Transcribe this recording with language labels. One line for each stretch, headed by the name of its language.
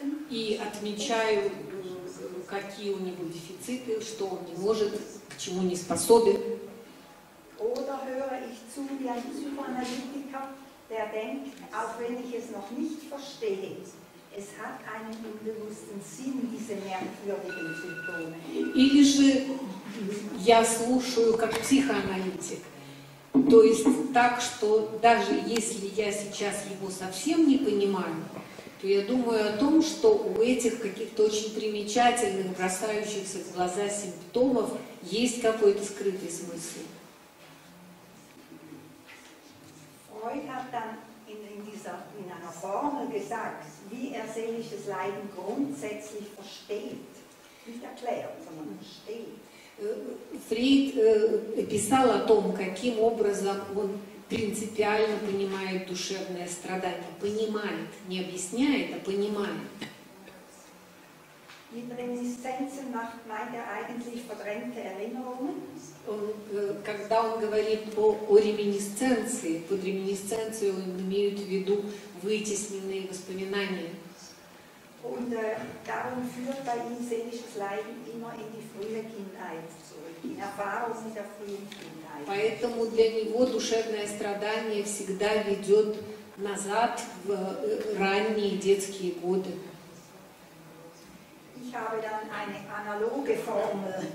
Russian: И отмечаю, какие у него дефициты, что он не может, к чему не способен.
German: Oder höre ich zu wie ein Psychoanalytiker, der denkt, auch wenn ich es noch nicht verstehe, es hat einen unbewussten Sinn, diese merkwürdigen Symptome.
Russian: Или же я слушаю как психоаналитик, то есть так, что даже если я сейчас его совсем не понимаю, то я думаю о том, что у этих каких-то очень примечательных, бросающихся в глаза симптомов есть какой-то скрытый смысл.
German: Freud hat dann in einer Formel gesagt, wie er seelisches Leiden grundsätzlich versteht. Nicht erklärt, sondern versteht.
Russian: Фрейд писал о том, каким образом он принципиально понимает душевное страдание. Понимает, не объясняет, а понимает.
German: Mit Reminiszenzen meint er eigentlich verdrängte Erinnerungen.
Russian: Когда он говорит о реминисценции, под реминисценцией он имеет в виду вытесненные воспоминания.
German: Und darum führt bei ihm seelisches Leiden immer in die frühe Kindheit zurück, in Erfahrungen der frühen Kindheit.
Russian: Поэтому для него душевное страдание всегда ведет назад в ранние детские годы.
German: Ich habe dann eine analoge Formel